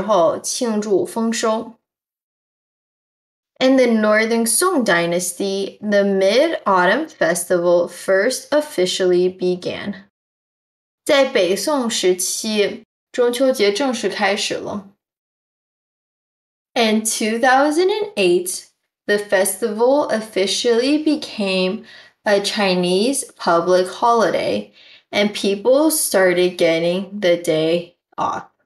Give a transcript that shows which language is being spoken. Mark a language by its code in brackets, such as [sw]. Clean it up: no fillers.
[zh] 在商朝时，人们开始第一次秋天满月时候庆祝丰收. [en] In the Northern Song Dynasty, the Mid-Autumn Festival first officially began. [zh] 在北宋时期，中秋节正式开始了. [en] In 2008, the festival officially became a Chinese public holiday, and people started getting the day off.